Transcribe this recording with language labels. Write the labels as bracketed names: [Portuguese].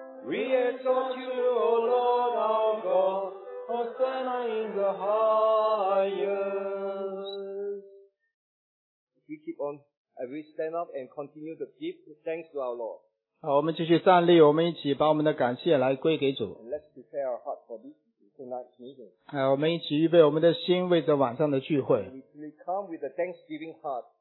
[English] We exalt you, O Lord our God, Hosanna in the highest. If we keep on, if we stand up and continue to give thanks to our Lord. [Chinese] 好，我们继续站立，我们一起把我们的感谢来归给主。 [English] And let's prepare our heart for this tonight's meeting. [Chinese] 我们一起预备我们的心，为着晚上的聚会。 [English] We come with a thanksgiving heart.